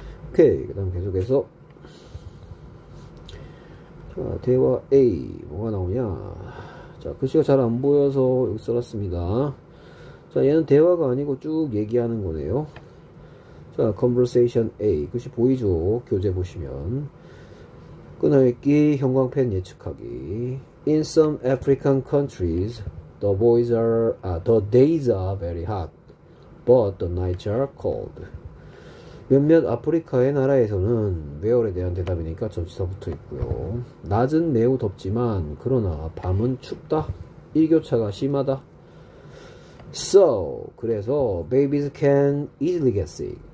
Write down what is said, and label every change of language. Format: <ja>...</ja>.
<ko>오케이, 그다음 계속해서 자, 대화 A 뭐가 나오냐? 자, 글씨가 잘안 보여서 여기 써놨습니다. 자, 얘는 대화가 아니고 쭉 얘기하는 거네요. 자,</ko> <en>conversation A</en> <ko>글씨 보이죠? 교재 보시면 끊어읽기, 형광펜 예측하기.</ko> <en>In some African countries, the days are very hot. But the nights are cold.</en> <ko>몇몇 아프리카의 나라에서는 where에 대한 대답이니까 전치사부터 있고요. 낮은 매우 덥지만 그러나 밤은 춥다. 일교차가 심하다.</ko> <en>So, 그래서 babies can easily get sick.</en>